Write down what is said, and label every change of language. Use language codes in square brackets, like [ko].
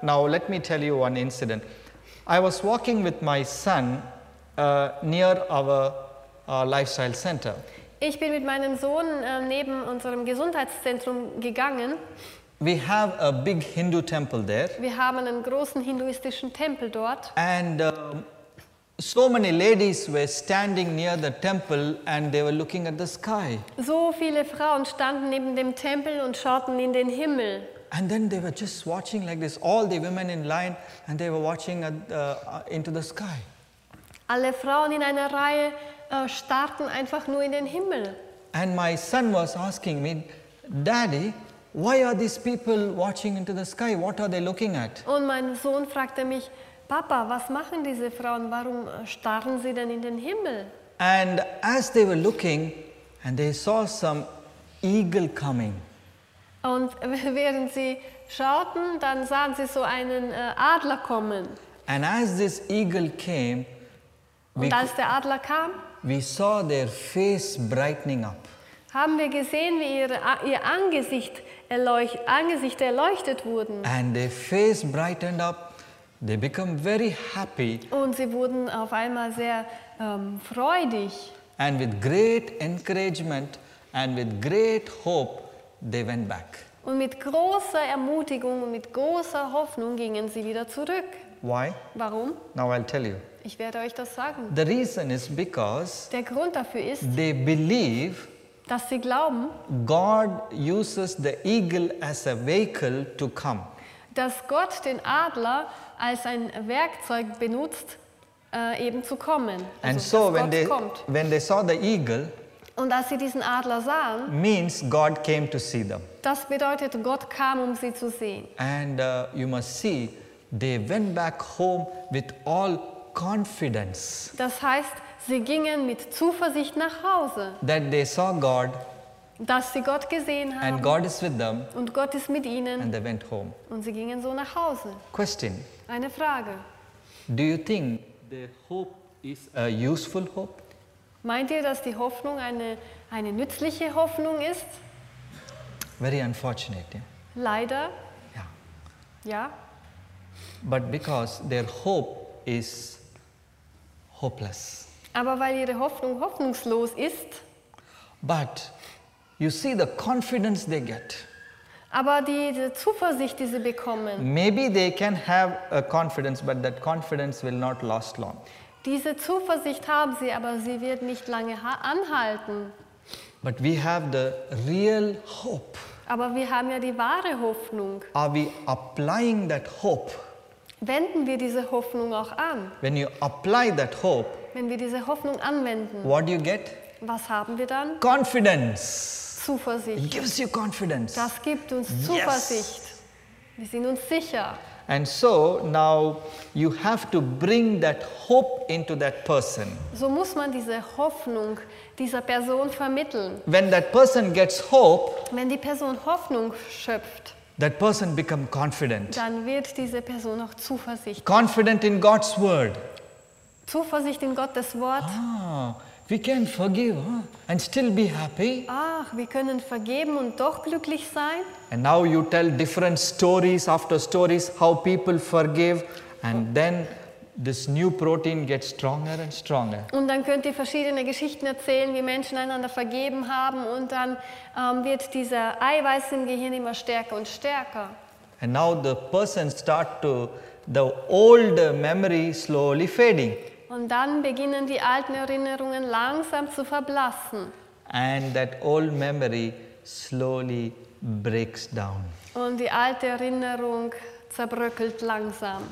[en] Let me tell you one incident. I was walking with my son near our lifestyle center. [de] Ich bin mit meinem Sohn neben unserem Gesundheitszentrum gegangen. [en] We have a big Hindu temple there. [de] Wir haben einen großen hinduistischen Tempel dort. [en] And so many ladies were standing near the temple and they were looking at the sky. [de] So viele Frauen standen neben dem Tempel und schauten in den Himmel. [en] And then they were just watching like this, all the women in line, and they were watching at, into the sky. [de] Alle Frauen in einer Reihe starrten einfach nur in den Himmel. [en] And my son was asking me, Daddy, why are these people watching into the sky? What are they looking at? [de] Und mein Sohn fragte mich, Papa, was machen diese Frauen? Warum starren sie denn in den Himmel? [en] And as they were looking, and they saw some eagle coming. [de] Und während sie schauten, dann sahen sie so einen Adler kommen. [en] And as this eagle came, [de] und als der Adler kam, [en] we saw their face brightening up. [de] Haben wir gesehen, wie ihr Angesicht erleuchtet wurden. [en] And their face brightened up. They become very happy. [de] Und sie wurden auf einmal sehr freudig. [en] And with great encouragement and with great hope, they went back. [de] Und mit großer Ermutigung und mit großer Hoffnung gingen sie wieder zurück. [en] Why? [de] Warum? [en] Now I'll tell you. [de] Ich werde euch das sagen. [en] The reason is because [de] der Grund dafür ist, [en] they believe, [de] dass sie glauben, [en] God uses the eagle as a vehicle to come. [de] Dass Gott den Adler als ein Werkzeug benutzt, eben zu kommen. [en] Also and so when they kommt. When they saw the eagle, [de] und als sie diesen Adler sahen, [en] means God came to see them. [de] Das bedeutet, Gott kam, um sie zu sehen. [en] And you must see, they went back home with all confidence. [de] Das heißt, sie gingen mit Zuversicht nach Hause. [en] That they saw God. [de] Dass sie Gott gesehen haben. [en] And God is with them. [de] Und Gott ist mit ihnen. [en] And they went home. [de] Und sie gingen so nach Hause. [en] Question. [de] Eine Frage. [en] Do you think the hope is a useful hope? [de] Meint ihr, dass die Hoffnung eine nützliche Hoffnung ist? [en] Very unfortunate. Yeah? [de] Leider. Ja. Ja. [en] But because their hope is hopeless. [de] Aber weil ihre Hoffnung hoffnungslos ist. [en] But you see the confidence they get. [de] Aber die Zuversicht, die sie bekommen. [en] Maybe they can have a confidence, but that confidence will not last long. [de] Diese Zuversicht haben sie, aber sie wird nicht lange anhalten. [en] But we have the real hope. [de] Aber wir haben ja die wahre Hoffnung. [en] Are we applying that hope? [de] Wenden wir diese Hoffnung auch an? [en] When you apply that hope, [de] wenn wir diese Hoffnung anwenden, [en] what do you get? [de] Was haben wir dann? [en] Confidence. [de] Zuversicht. [en] It gives you confidence. [de] Das gibt uns Zuversicht. [en] Yes. [de] Wir sind uns sicher. [en] And so now you have to bring that hope into that person. [de] So muss man diese Hoffnung dieser Person vermitteln. [en] When that person gets hope, [de] wenn die Person Hoffnung schöpft, [en] that person become confident. [de] Dann wird diese Person auch zuversichtlich. [en] Confident in God's word. [de] Zuversicht in Gottes Wort. [en] Ah, we can forgive, huh? And still be happy. [de] Ach, wir können vergeben und doch glücklich sein. [en] And now you tell different stories after stories how people forgive, and then this new protein gets stronger and stronger. [de] Und dann könnt ihr verschiedene Geschichten erzählen, wie Menschen einander vergeben haben, und dann wird dieser Eiweiß im Gehirn immer stärker und stärker. [en] And now the person start to the old memory slowly fading. [de] Und dann beginnen die alten Erinnerungen langsam zu verblassen. [en] And that old memory slowly breaks down. [de] Und die alte Erinnerung zerbröckelt langsam.